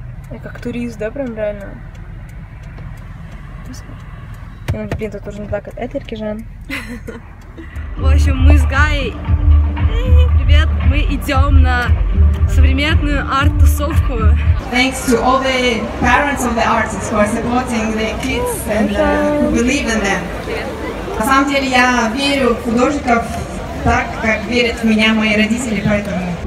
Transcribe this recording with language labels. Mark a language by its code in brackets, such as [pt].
[ru] Я как турист, да, прям реально? отпуск. И нам, блин, тут нужно так от этерки, Жан. В общем, мы с Гаей... Привет! Мы идем на современную арт-тусовку. [en] Thanks to all the parents of the artists who are supporting the kids and believe in them. [ru] На самом деле я верю в художников так, как верят в меня мои родители, поэтому...